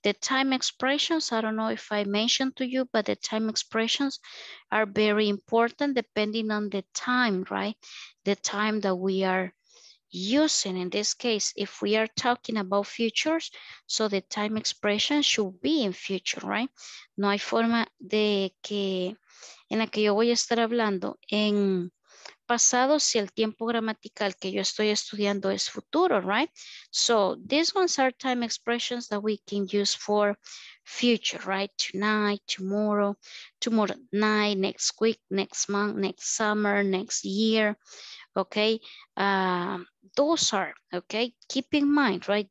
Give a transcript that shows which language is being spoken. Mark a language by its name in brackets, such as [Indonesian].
[English] The time expressions, I don't know if I mentioned to you, but the time expressions are very important depending on the time, right? The time that we are using. In this case, if we are talking about futures, so the time expression should be in future, right? [Spanish] No hay forma de que en la que yo voy a estar hablando en pasado si el tiempo gramatical que yo estoy estudiando es futuro, right? [English] So these ones are time expressions that we can use for future, right? Tonight, tomorrow, tomorrow night, next week, next month, next summer, next year, okay? Those are, okay, keep in mind, right?